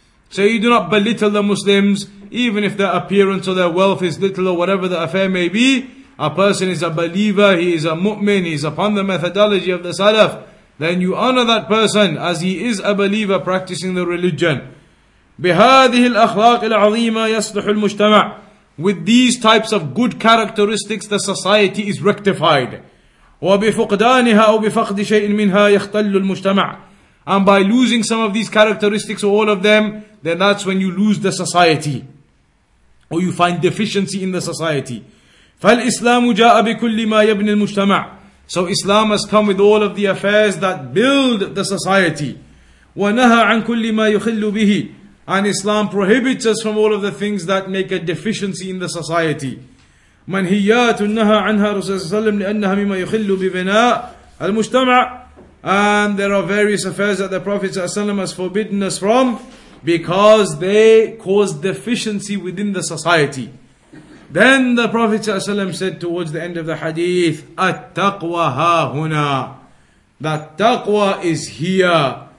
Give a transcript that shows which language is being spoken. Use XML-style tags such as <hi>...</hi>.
<en>So you do not belittle the Muslims, even if their appearance or their wealth is little, or whatever the affair may be. A person is a believer, he is a mu'min, he is upon the methodology of the Salaf. Then you honor that person as he is a believer practicing the religion.</en> <ar>بهذه الأخلاق العظيمة يصلح المجتمع.</ar> <en>With these types of good characteristics, the society is rectified.</en> <ar>وبفقدانها أو بفقد شيء منها يختل المجتمع.</ar> <en>And by losing some of these characteristics or all of them, then that's when you lose the society. Or you find deficiency in the society.</en> <ar>فالإسلام جاء بكل ما يبني المجتمع.</ar> <en>So Islam has come with all of the affairs that build the society.</en> <ar>ونهى عن كل ما يخل به.</ar> <en>And Islam prohibits us from all of the things that make a deficiency in the society.</en> <ar>منهيات نهى عنها رسول صلى الله عليه وسلم لأنها مما يخل ببناء المجتمع.</ar> <en>And there are various affairs that the Prophet</en> <ar>صلى الله عليه وسلم</ar> <en>has forbidden us from because they cause deficiency within the society. Then the Prophet ﷺ said towards the end of the hadith,</en> <ar>At-taqwa ha-huna,</ar> <en>that taqwa is here.</en>